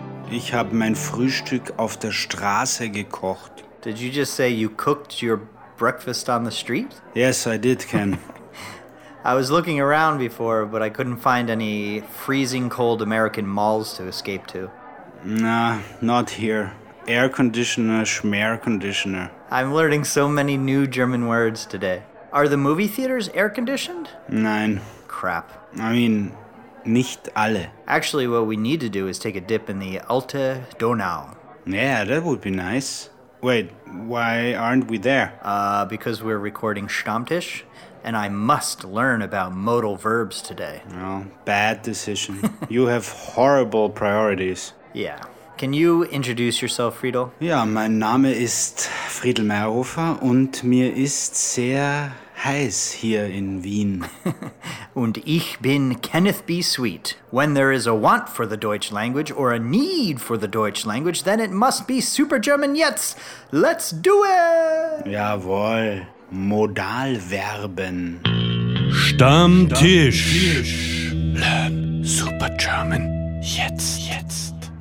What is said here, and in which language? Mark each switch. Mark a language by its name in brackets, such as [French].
[German] Ich habe mein Frühstück auf der Straße gekocht. [English] Did you just say you cooked your breakfast on the street? Yes, I did, Ken. I was looking around before, but I couldn't find any freezing cold American malls to escape to. Nah, not here. Air conditioner, schmear conditioner. I'm learning so many new German words today. Are the movie theaters air conditioned? [German] Nein. [English] Crap. I mean, [German] nicht alle. [English] Actually, what we need to do is take a dip in the Alte Donau. Yeah, that would be nice. Wait, why aren't we there? Because we're recording Stammtisch, and I must learn about modal verbs today. Well, bad decision. You have horrible priorities. Yeah. Can you introduce yourself, Friedl? [German] Ja, mein Name ist Friedl Meierhofer und mir ist sehr heiß hier in Wien. Und ich bin Kenneth B. Sweet. [English] When there is a want for the Deutsch language or a need for the Deutsch language, then it must be Super German Jetzt. Let's do it! [German] Jawohl, Modalverben. [English] Stammtisch. Stammtisch. Learn Super German Jetzt. Jetzt.